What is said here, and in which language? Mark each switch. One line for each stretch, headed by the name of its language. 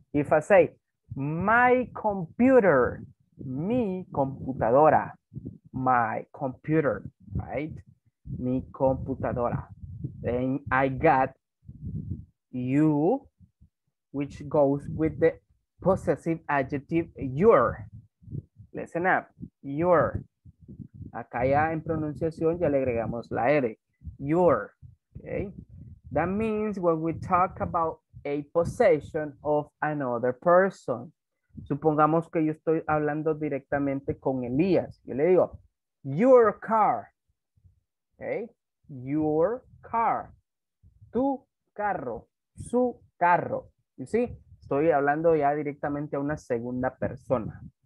English: If I say my computer,
Spanish: mi computadora,
English: my computer, right?
Spanish: Mi computadora.
English: Then I got you, which goes with the possessive adjective your. Listen up, your.
Spanish: Acá ya en pronunciación ya le agregamos la R.
English: Your, okay? That means when we talk about a possession of another person.
Spanish: Supongamos que yo estoy hablando directamente con Elías. Yo le digo,
English: your car,
Spanish: okay?
English: Your car,
Spanish: tu carro, su carro.
English: You see?
Spanish: Estoy hablando ya directamente a una segunda persona.